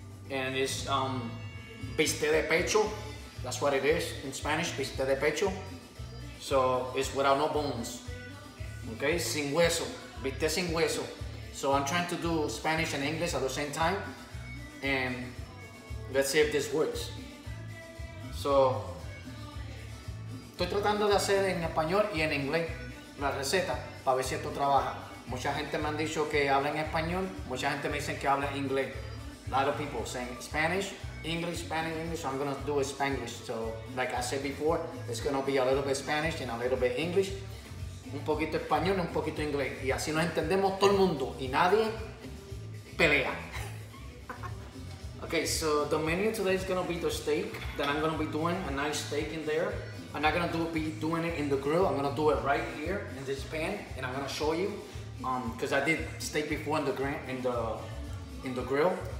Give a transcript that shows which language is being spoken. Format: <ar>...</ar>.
<en>And it's bistec de pecho. That's what it is in Spanish, bistec de pecho. So it's without no bones. Okay?</en> <es>Sin hueso. Bistec sin hueso.</es> <en>So I'm trying to do Spanish and English at the same time. And let's see if this works.</en> <es>So, estoy tratando de hacer en español y en inglés la receta para ver si esto trabaja. Mucha gente me han dicho que habla en español, mucha gente me dicen que habla inglés.</es> <en>A lot of people saying Spanish, English, Spanish, English. So I'm gonna do Spanglish. So, like I said before, it's gonna be a little bit Spanish and a little bit English.</en> <es>Un poquito español y un poquito inglés. Y así nos entendemos todo el mundo y nadie pelea.</es> <en>Okay, so the menu today is gonna be the steak that I'm gonna be doing, a nice steak in there. I'm not gonna be doing it in the grill. I'm gonna do it right here in this pan, and I'm gonna show you, because I did steak before in the grill.</en>